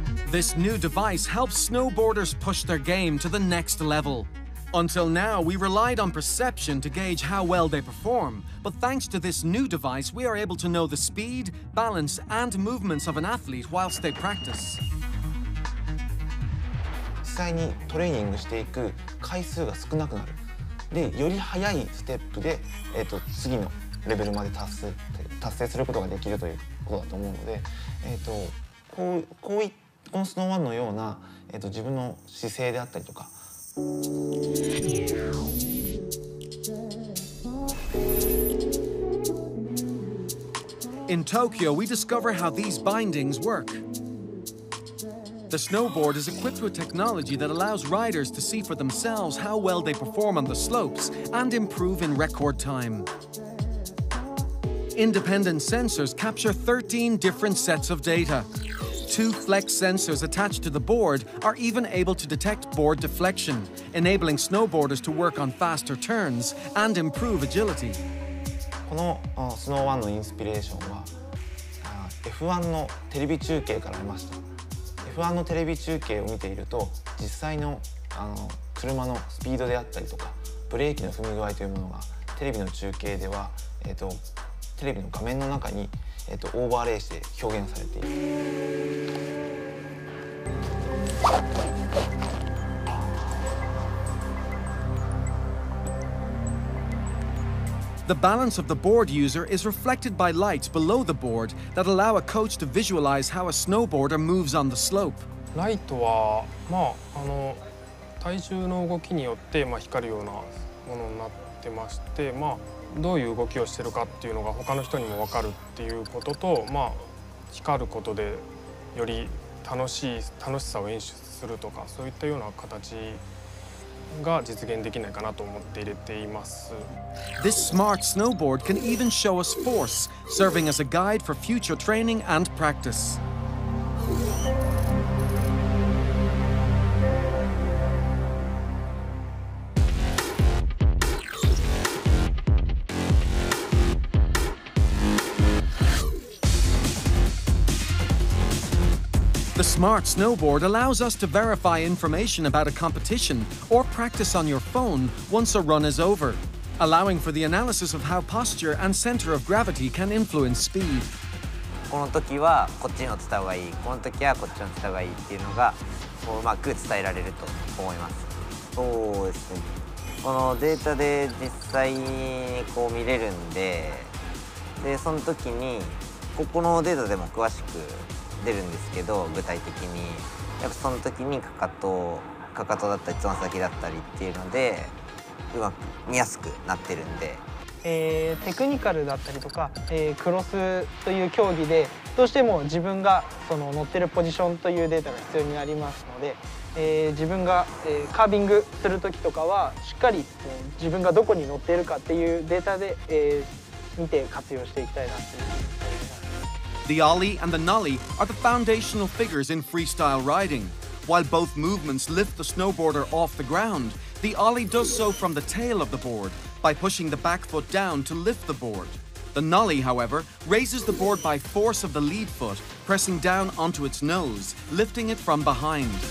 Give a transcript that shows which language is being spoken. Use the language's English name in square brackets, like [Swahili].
[English] This new device helps snowboarders push their game to the next level. Until now, we relied on perception to gauge how well they perform, but thanks to this new device, we are able to know the speed, balance, and movements of an athlete whilst they practice. [Japanese] 実際にトレーニングしていく回数が少なくなる。で、より速いステップで、次のレベルまで達成することができるということだと思うので、このスノーワンのような、自分の姿勢であったりとか。 [English] In Tokyo, we discover how these bindings work. The snowboard is equipped with technology that allows riders to see for themselves how well they perform on the slopes and improve in record time. Independent sensors capture 13 different sets of data. Two flex sensors attached to the board are even able to detect board deflection, enabling snowboarders to work on faster turns and improve agility. This Snow1's inspiration was F1's TV broadcast. [Japanese] F1 のテレビ中継を見ていると、実際の、車のスピードであったりとか、ブレーキの踏み具合というものが、テレビの中継では、テレビの画面の中に、オーバーレイして表現されている。 [English] The balance of the board user is reflected by lights below the board that allow a coach to visualize how a snowboarder moves on the slope. [Japanese] ライトは、まあ、体重の動きによって、まあ、光るようなものになってまして、まあ、どういう動きをしているかっていうのが他の人にも分かるっていうことと、まあ、光ることでより楽しさを演出するとか、そういったような形が実現できないかなと思って入れています。 [English] This smart snowboard can even show us force, serving as a guide for future training and practice. The smart snowboard allows us to verify information about a competition or practice on your phone once a run is over, allowing for the analysis of how posture and center of gravity can influence speed. [Japanese] この時はこっちに落ちた方がいい、この時はこっちに落ちた方がいいっていうのがうまく伝えられると思います。そうですね。このデータで実際にこう見れるんで、でその時にここのデータでも詳しく。出るんですけど、具体的にやっぱその時にかかとだったりつま先だったりっていうのでうまく見やすくなってるんで、テクニカルだったりとか、クロスという競技でどうしても自分がその乗ってるポジションというデータが必要になりますので、自分が、カービングする時とかはしっかり、自分がどこに乗ってるかっていうデータで、見て活用していきたいなって。 [English] The ollie and the nollie are the foundational figures in freestyle riding. While both movements lift the snowboarder off the ground, the ollie does so from the tail of the board by pushing the back foot down to lift the board. The nollie, however, raises the board by force of the lead foot, pressing down onto its nose, lifting it from behind.